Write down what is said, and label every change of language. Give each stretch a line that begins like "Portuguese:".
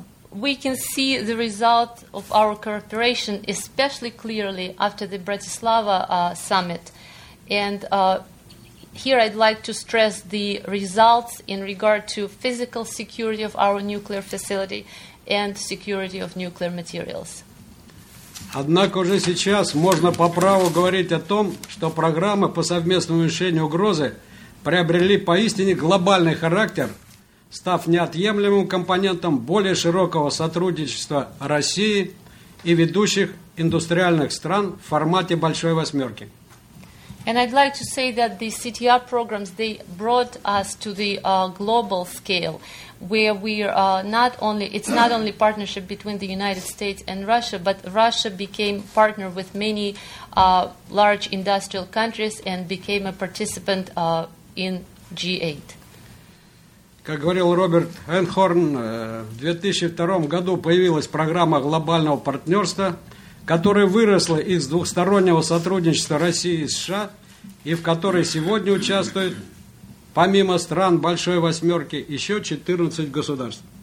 English: We can see the result of our cooperation especially clearly after the Bratislava summit. And here I'd like to stress the results in regard to physical security of our nuclear facility and security of nuclear materials.
Russian: Однако уже сейчас можно по праву говорить о том, что программы по совместному уменьшению угрозы приобрели поистине глобальный характер, став неотъемлемым компонентом более широкого сотрудничества России и ведущих индустриальных стран в формате Большой Восьмерки.
English: And I'd like to say that the CTR programs, they brought us to the global scale, where we're not only partnership between the United States and Russia, but Russia became partner with many large industrial countries and became a participant in G8.
Russian: Как говорил Роберт Энхорн, в 2002 году появилась программа глобального партнерства, которая выросла из двухстороннего сотрудничества России и США, и в которой сегодня участвуют, помимо стран Большой Восьмерки, еще 14 государств.